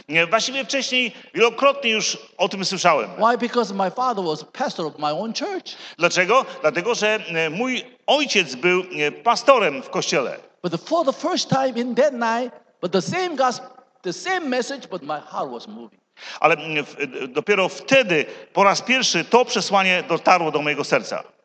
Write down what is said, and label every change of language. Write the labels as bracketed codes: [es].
[pl] Właściwie wcześniej wielokrotnie już o tym słyszałem. [en] Why? Because my father was pastor of my own church. [pl] Dlaczego? Dlatego, że mój ojciec był pastorem w kościele. [en] But for the first time in that night, but the same gospel, the same message, but my heart was moving. [pl] Ale dopiero wtedy po raz pierwszy to przesłanie dotarło do mojego serca.